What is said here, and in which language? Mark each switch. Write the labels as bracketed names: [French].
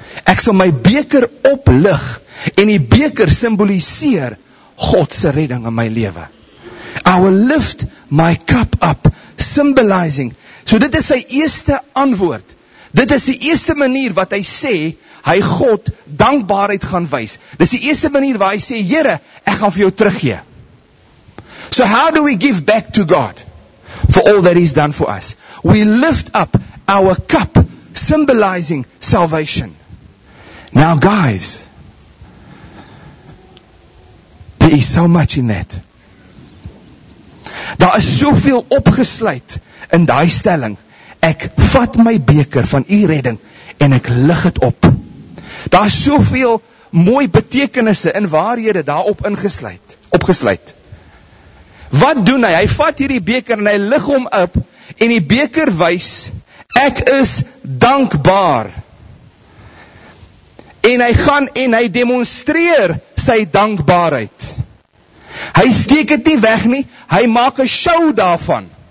[Afrikaans] Ek sal my beker oplig en die beker symboliseer God se redding in my lewe. [English] I will lift my cup up symbolizing. [Afrikaans] So dit is sy eerste antwoord Dit is die eerste manier wat hy sê, hy God dankbaarheid gaan wys. Dit is die eerste manier waar hy sê, Here, ek gaan vir jou teruggee. [English] So how do we give back to God for all that he's done for us? We lift up our cup, symbolizing salvation. Now guys, there is so much in that. [Afrikaans] Daar is soveel opgesluit in die stelling. Ek vat my beker van u redding en ek lig het op. Daar is soveel mooi betekenisse en waarhede daarop ingesluit, opgesluit. Wat doen hy? Hy vat hierdie beker en hy lig hom op en die beker wys, ek is dankbaar. En hy gaan en hy demonstreer sy dankbaarheid. Hy steek het nie weg nie, hy maak 'n show daarvan.